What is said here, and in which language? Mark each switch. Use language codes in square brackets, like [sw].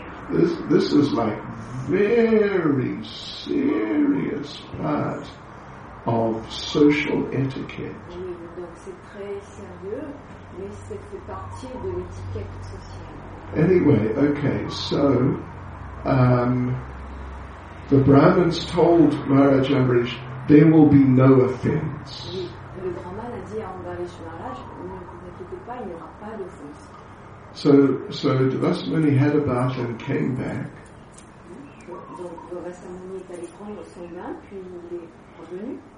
[en] This is like very serious part of social etiquette. [fr] Oui, donc c'est très sérieux, mais c'est partie de l'étiquette sociale. [en] Anyway, okay, so the Brahmins told Maharaj Amrish, there will be no offense. [fr] Le Brahman a dit à Ambarish Maharaj, ne vous inquiétez pas, il n'y aura pas d'offense. [en] So Devasmani had a bath and came back. [fr] Donc Devasmani est allé prendre son bain, puis il est revenu.